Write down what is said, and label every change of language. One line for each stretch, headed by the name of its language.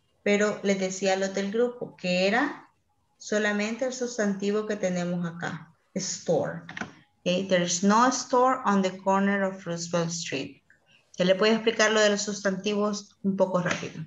Spanish: Pero les decía a los del grupo que era solamente el sustantivo que tenemos acá, store.
English: Okay, there's no store on the corner of Roosevelt Street.
Spanish: Se le puede explicar lo de los sustantivos un poco rápido.